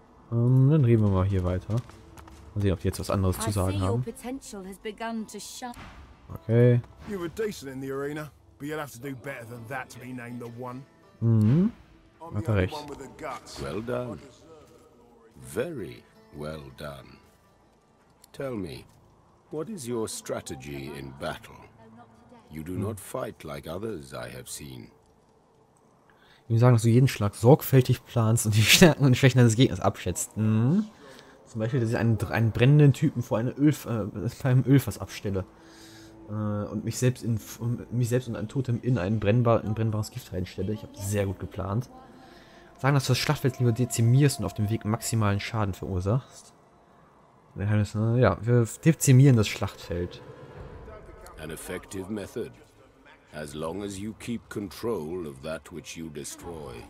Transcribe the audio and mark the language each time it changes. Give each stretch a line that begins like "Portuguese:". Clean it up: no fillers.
German: Dann reden wir mal hier weiter. Mal sehen, ob die jetzt was anderes zu sagen haben. Okay.
English: You were decent in the arena, but you'll have to do better than that to be named the one.
German: Hat er recht.
English: Well done. Very well done. Tell me, what is your strategy in battle? You do not fight like others I have seen.
German: Ich würde sagen, dass du jeden Schlag sorgfältig planst und die Stärken und Schwächen deines Gegners abschätzt. Hm? Zum Beispiel, dass ich einen brennenden Typen vor einem Ölfass abstelle. Und mich selbst und ein Totem in ein brennbares Gift reinstelle. Ich habe sehr gut geplant. Sagen, dass du das Schlachtfeld lieber dezimierst und auf dem Weg maximalen Schaden verursachst. Ja, wir dezimieren das Schlachtfeld.
English: An effective method. As long as you keep control of that which you destroy.